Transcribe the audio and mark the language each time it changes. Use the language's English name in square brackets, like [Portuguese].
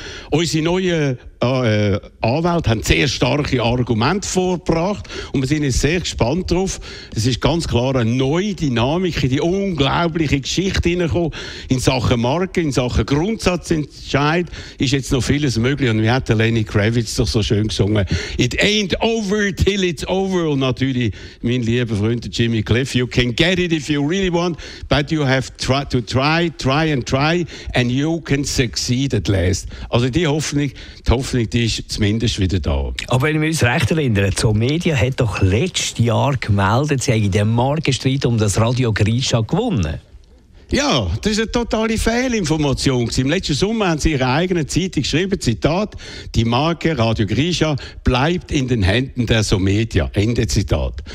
[German] Unsere neuen Anwälte haben sehr starke Argumente vorgebracht und wir sind jetzt sehr gespannt darauf. Es ist ganz klar eine neue Dynamik in die unglaubliche Geschichte hineingekommen. In Sachen Marke, in Sachen Grundsatzentscheid ist jetzt noch vieles möglich. Und wie hat Lenny Kravitz doch so schön gesungen? [English] It ain't over till it's over. [German] Und natürlich, mein lieber Freund [English] Jimmy Cliff, you can get it if you really want, but you have to try, try and try and you can succeed at last. [German] Also die Hoffnung, die ist zumindest wieder da. Aber wenn wir uns recht erinnern, so Media hat doch letztes Jahr gemeldet, sie haben den Markenstreit um das Radio Grischa gewonnen. Ja, das ist eine totale Fehlinformation. Im letzten Sommer haben sie in ihrer eigenen Zeitung geschrieben, Zitat, die Marke Radio Grischa bleibt in den Händen der Somedia. Ende Zitat.